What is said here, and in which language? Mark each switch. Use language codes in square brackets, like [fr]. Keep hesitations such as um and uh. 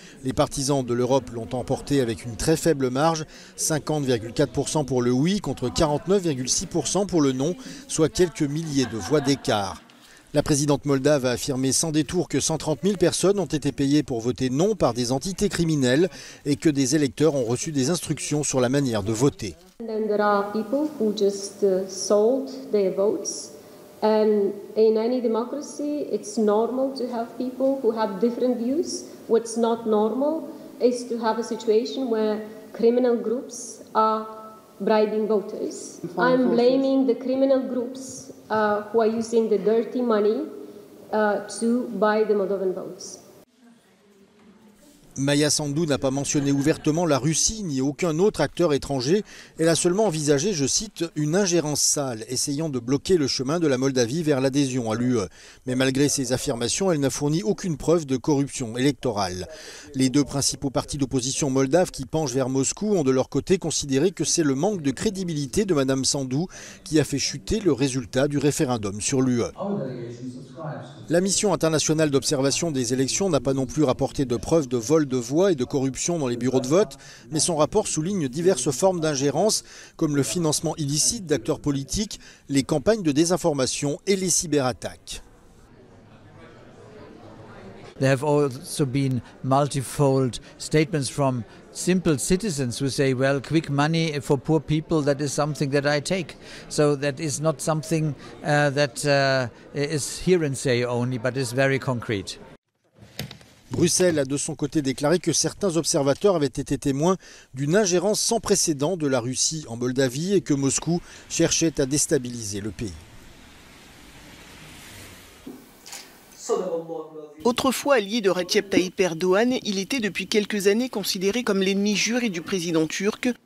[fr] Les partisans de l'Europe l'ont emporté avec une très faible marge, 50,4% pour le oui contre 49,6% pour le non, soit quelques milliers de voix d'écart. La présidente moldave a affirmé sans détour que 130 000 personnes ont été payées pour voter non par des entités criminelles et que des électeurs ont reçu des instructions sur la manière de voter. [en] And then there are people who just sold their votes. And in any democracy, it's normal to have people who have different views. What's not normal is to have a situation where criminal groups are bribing voters. I'm blaming the criminal groups Uh, who are using the dirty money uh, to buy the Moldovan votes. [fr] Maya Sandou n'a pas mentionné ouvertement la Russie ni aucun autre acteur étranger. Elle a seulement envisagé, je cite, une ingérence sale, essayant de bloquer le chemin de la Moldavie vers l'adhésion à l'UE. Mais malgré ces affirmations, elle n'a fourni aucune preuve de corruption électorale. Les deux principaux partis d'opposition moldave qui penchent vers Moscou ont de leur côté considéré que c'est le manque de crédibilité de Madame Sandou qui a fait chuter le résultat du référendum sur l'UE. La mission internationale d'observation des élections n'a pas non plus rapporté de preuves de vol de voix et de corruption dans les bureaux de vote, mais son rapport souligne diverses formes d'ingérence, comme le financement illicite d'acteurs politiques, les campagnes de désinformation et les cyberattaques. [en] multifold statements from simple citizens who say, well, quick money for poor people, that is something that I take. So that is not something uh, that uh, is here and say only, but is very concrete. [fr] Bruxelles a de son côté déclaré que certains observateurs avaient été témoins d'une ingérence sans précédent de la Russie en Moldavie et que Moscou cherchait à déstabiliser le pays. Autrefois allié de Recep Tayyip Erdogan, il était depuis quelques années considéré comme l'ennemi juré du président turc.